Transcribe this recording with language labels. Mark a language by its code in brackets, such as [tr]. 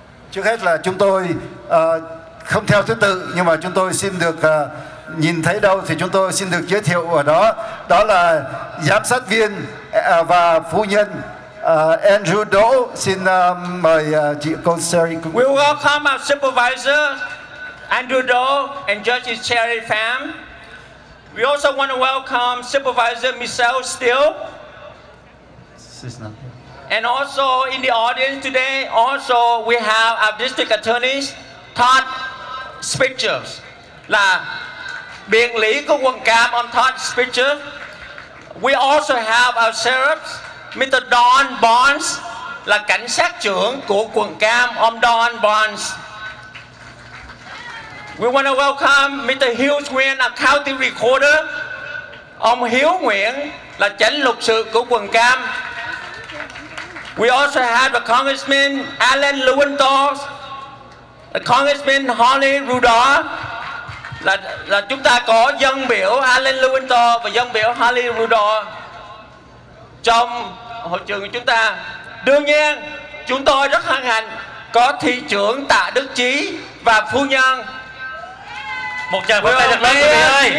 [vi] Trước hết là chúng tôi không theo thứ tự, nhưng mà chúng tôi xin được nhìn thấy đâu thì chúng tôi xin được giới thiệu ở đó. Đó là giám sát viên và phu nhân Andrew Đỗ. Xin mời chị cô Sherry. [en] We welcome our supervisor Andrew Đỗ and Judge Sherry Pham. We also want to welcome Supervisor Michelle Steele. And also in the audience today, also we have our district attorney Todd Spitzer. [vi] Là biện lý của quận Cam, on Todd Spitzer. [en] We also have our sheriffs, [vi] Mr. Don Barnes, là cảnh sát trưởng của quận Cam, ông Don Barnes. [en] We want to welcome Mr. Hugh Nguyen, a county recorder. [vi] Ông Hiếu Nguyễn là chánh luật sự của quận Cam. [en] We also have the Congressman Alan Lewenthal, the Congressman Holly Rudolph. [vi] Là chúng ta có dân biểu Alan Lewenthal và dân biểu Holly Rudolph trong hội trường của chúng ta. Đương nhiên, chúng tôi rất hân hạnh có thị trưởng Tạ Đức Chí và phu nhân. Một tràng pháo tay thật lớn, quý vị ơi.